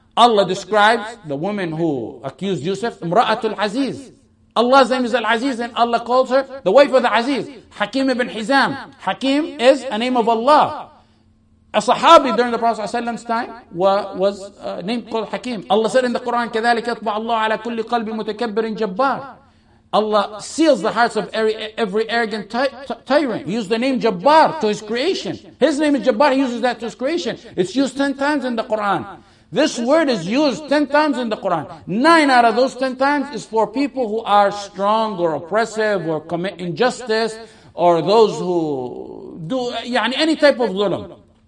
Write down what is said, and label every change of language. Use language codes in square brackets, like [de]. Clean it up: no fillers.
[en] Allah describes the woman who accused Yusuf, Imra'atul Aziz. Allah's name is Al-Aziz, and Allah calls her the wife of the Aziz. Hakim ibn Hizam. Hakim is a name of Allah. A sahabi during the Prophet's time was named called Hakim. Allah said in the Quran, [ar] كَذَلِكَ يَطْبَعَ اللَّهُ عَلَى كُلِّ قَلْبٍ مُتَكَبِّرٍ جَبَّارٍ. [en] Allah seals the hearts of every arrogant tyrant. He used the name Jabbar to his creation. His name is Jabbar. He uses that to his creation. It's used 10 times in the Quran. This word is used 10 times in the Quran. 9 out of those 10 times is for people who are strong or oppressive or commit injustice or those who do any type of zulm.